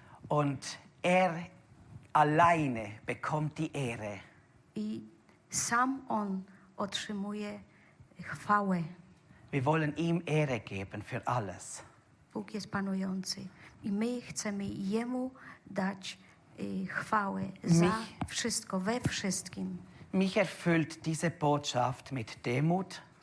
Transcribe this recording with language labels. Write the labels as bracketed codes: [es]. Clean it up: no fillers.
[de] Und alleine bekommt die Ehre. [pl] I sam on otrzymuje chwałę. [de] Wir wollen ihm Ehre geben für alles. [pl] Bóg jest panujący. I my chcemy jemu dać chwałę za mich, wszystko, we wszystkim. [de] Mich erfüllt diese Botschaft mit Demut.